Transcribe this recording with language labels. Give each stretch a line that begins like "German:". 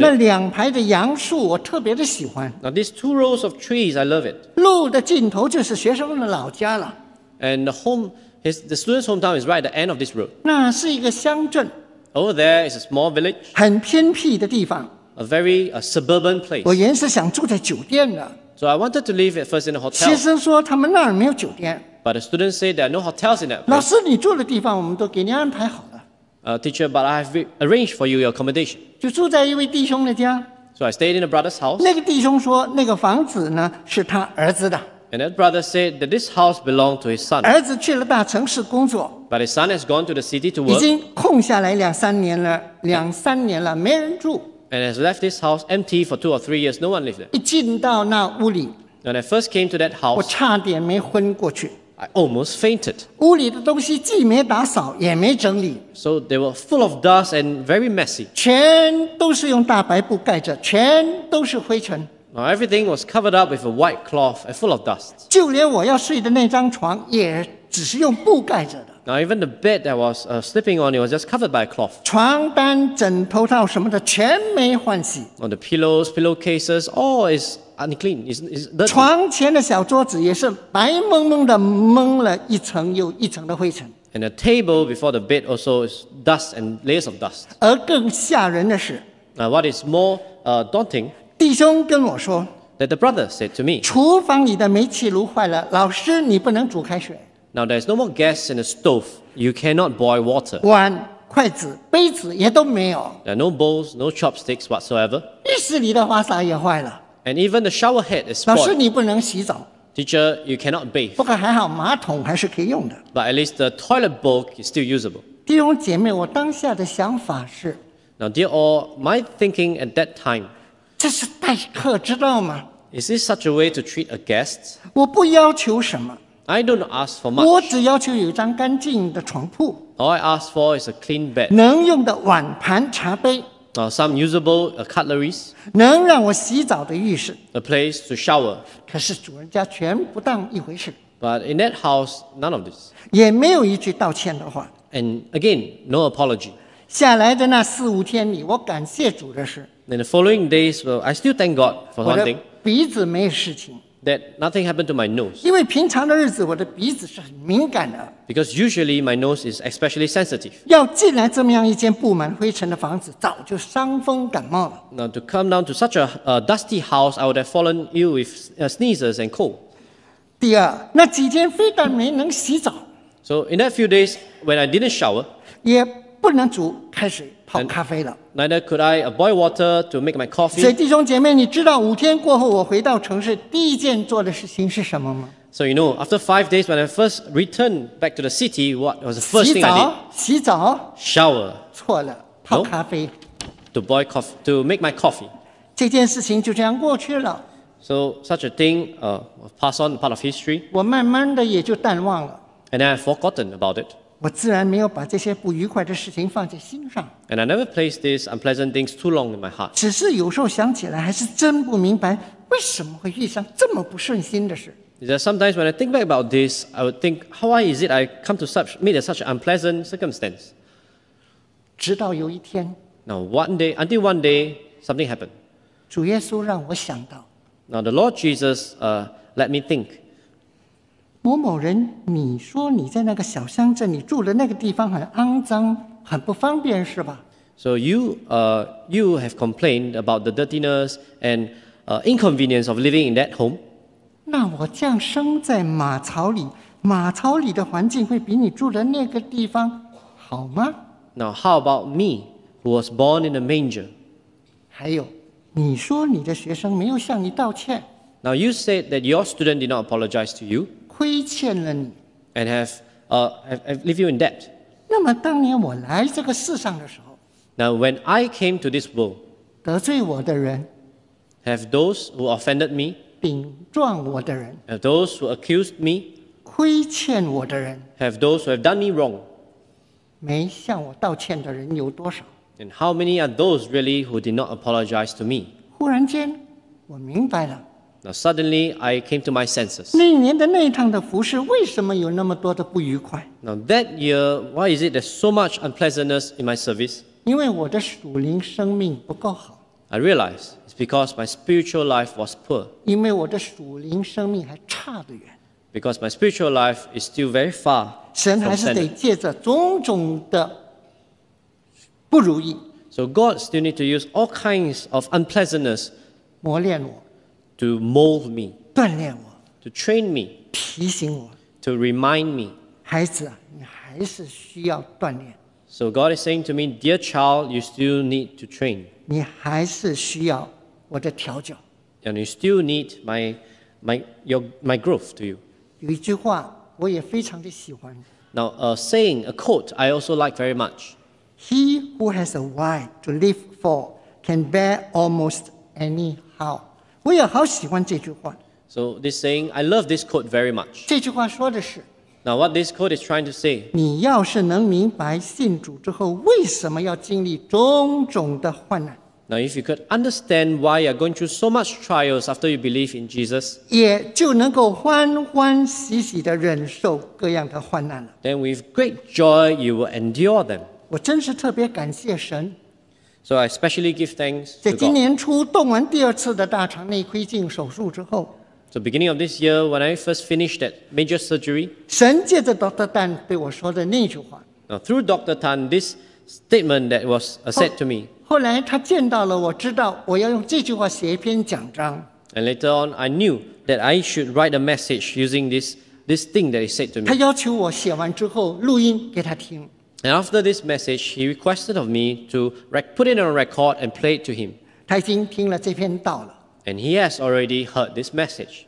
Chinese: 那两排的杨树我特别的喜欢。
English: Now these two rows of trees, I love it.
Chinese: 路的尽头就是学生的老家了。
English: And the student's hometown is right at the end of this road.
Chinese: 那是一个乡镇。
English: Over there is a small village.
Chinese: 很偏僻的地方。
English: A very suburban place.
Chinese: 我原是想住在酒店的。
English: So I wanted to live at first in a hotel.
Chinese: 学生说他们那儿没有酒店。
English: But the students say there are no hotels in that place.
Chinese: 老师，你住的地方我们都给你安排好了。
English: Teacher, but I have arranged for you your accommodation.
Chinese: 就住在一位弟兄的家。
English: So I stayed in a brother's house.
Chinese: 那个弟兄说，那个房子呢是他儿子的。
English: And that brother said that this house belonged to his son.
Chinese: 儿子去了大城市工作。
English: But his son has gone to the city to work.
Chinese: 已经空下来两三年了，没人住。
English: And has left this house empty for 2 or 3 years. No one lived there.
Chinese: 一进到那屋里。
English: When I first came to that house,
Chinese: 我差点没昏过去。
English: I almost fainted.
Chinese: 屋里的东西既没打扫，也没整理。
English: So they were full of dust and very messy.
Chinese: 全都是用大白布盖着，全都是灰尘。
English: Now everything was covered up with a white cloth and full of dust.
Chinese: 就连我要睡的那张床也只是用布盖着的。
English: Now even the bed that I was sleeping on, it was just covered by a cloth.
Chinese: 床单、枕头套什么的全没换洗。
English: On the pillows, pillowcases, all is unclean. It's dirty.
Chinese: 床前的小桌子也是白蒙蒙的，蒙了一层又一层的灰尘。
English: And the table before the bed also is dust and layers of dust.
Chinese: 而更吓人的是
English: what is more daunting?
Chinese: 弟兄跟我说
English: that the brother said to me,
Chinese: 厨房里的煤气炉坏了，老师你不能煮开水。
English: Now there's no more gas in the stove. You cannot boil water.
Chinese: 碗、筷子、杯子也都没有。
English: There are no bowls, no chopsticks whatsoever.
Chinese: 浴室里的花洒也坏了。
English: And even the shower head is spoiled.
Chinese: 老师，你不能洗澡。
English: Teacher, you cannot bathe.
Chinese: 不过还好，马桶还是可以用的。
English: But at least the toilet bowl is still usable.
Chinese: 弟兄姐妹，我当下的想法是。
English: Now, dear all, my thinking at that time.
Chinese: 这是待客之道吗？
English: Is this such a way to treat a guest?
Chinese: 我不要求什么。
English: I don't ask for much.
Chinese: 我只要求有一张干净的床铺。
English: All I ask for is a clean bed.
Chinese: 能用的碗盘茶杯。
English: Some usable cutleries.
Chinese: 能让我洗澡的浴室。
English: A place to shower.
Chinese: 可是主人家全不当一回事。
English: But in that house, none of this.
Chinese: 也没有一句道歉的话。
English: And again, no apology.
Chinese: 下来的那四五天里，我感谢主的是。
English: In the following days, well, I still thank God for one thing.
Chinese: 我的鼻子没事情。
English: That nothing happened to my nose.
Chinese: 因为平常的日子，我的鼻子是很敏感的。
English: Because usually my nose is especially sensitive.
Chinese: 要进来这么样一间布满灰尘的房子，早就伤风感冒了。
English: Now to come down to such a dusty house, I would have fallen ill with sneezes and cold.
Chinese: 第二，那几天非但没能洗澡。
English: So in that few days, when I didn't shower,
Chinese: 也不能煮开水泡咖啡了。
English: Neither could I boil water to make my coffee.
Chinese: 所以弟兄姐妹，你知道五天过后我回到城市第一件做的事情是什么吗？
English: So you know, after 5 days, when I first returned back to the city, what was the first thing I did?
Chinese: 洗澡。
English: Shower.
Chinese: 错了，泡咖啡。
English: To boil coffee, to make my coffee.
Chinese: 这件事情就这样过去了。
English: So such a thing, pass on part of history.
Chinese: 我慢慢的也就淡忘了。
English: And I've forgotten about it.
Chinese: 我自然没有把这些不愉快的事情放在心上。
English: And I never placed these unpleasant things too long in my heart.
Chinese: 只是有时候想起来，还是真不明白为什么会遇上这么不顺心的事。
English: Is that sometimes when I think back about this, I would think, why is it I come to such, meet such an unpleasant circumstance?
Chinese: 直到有一天。
English: Now, one day, until one day, something happened.
Chinese: 主耶稣让我想到。
English: Now, the Lord Jesus, let me think.
Chinese: 某某人，你说你在那个小乡镇，你住的那个地方很肮脏，很不方便，是吧？
English: So you have complained about the dirtiness and inconvenience of living in that home.
Chinese: 那我降生在马槽里，马槽里的环境会比你住的那个地方好吗？
English: Now how about me, who was born in a manger?
Chinese: 还有，你说你的学生没有向你道歉。
English: Now you said that your student did not apologize to you.
Chinese: 亏欠了你。
English: And have leave you in debt.
Chinese: 那么当年我来这个世上的时候。
English: Now when I came to this world.
Chinese: 得罪我的人。
English: Have those who offended me.
Chinese: 顶撞我的人
English: have those who accused me,
Chinese: 亏欠我的人
English: have those who have done me wrong,
Chinese: 没向我道歉的人有多少
English: and how many are those really who did not apologize to me?
Chinese: 忽然间我明白了
English: Now suddenly I came to my senses.
Chinese: 那年的那一趟的服事为什么有那么多的不愉快
English: Now that year, why is it there's so much unpleasantness in my service?
Chinese: 因为我的属灵生命不够好
English: I realized it's because my spiritual life was poor.
Chinese: 因为我的属灵生命还差得远。
English: Because my spiritual life is still very far.
Chinese: 神还是得借着种种的不如意。
English: So God still need to use all kinds of unpleasantness.
Chinese: 磨练我。
English: To mold me.
Chinese: 锻炼我。
English: To train me.
Chinese: 提醒我。
English: To remind me.
Chinese: 孩子啊，你还是需要锻炼。
English: So God is saying to me, dear child, you still need to train.
Chinese: 你还是需要我的调教。
English: And you still need my growth to you.
Chinese: 有一句话我也非常的喜欢。
English: Now a saying, a quote I also like very much. He who has a why to live for can bear almost any how.
Chinese: 我也好喜欢这句话。
English: So this saying, I love this quote very much.
Chinese: 这句话说的是。
English: Now what this quote is trying to say.
Chinese: 你要是能明白信主之后为什么要经历种种的患难。
English: Now if you could understand why you're going through so much trials after you believe in Jesus.
Chinese: 也就能够欢欢喜喜地忍受各样的患难了。
English: Then with great joy you will endure them.
Chinese: 我真是特别感谢神。
English: So I especially give thanks to God.
Chinese: 在今年初动完第二次的大肠内窥镜手术之后。
English: So beginning of this year, when I first finished that major surgery,
Chinese: 神借着 Dr. Tan 对我说的那句话。
English: Now through Dr. Tan, this statement that was said to me.
Chinese: 后来他见到了我，知道我要用这句话写一篇讲章。
English: And later on, I knew that I should write a message using this thing that he said to me.
Chinese: 他要求我写完之后录音给他听。
English: And after this message, he requested of me to put it on record and play it to him.
Chinese: 他已经听了这篇道了。
English: And he has already heard this message.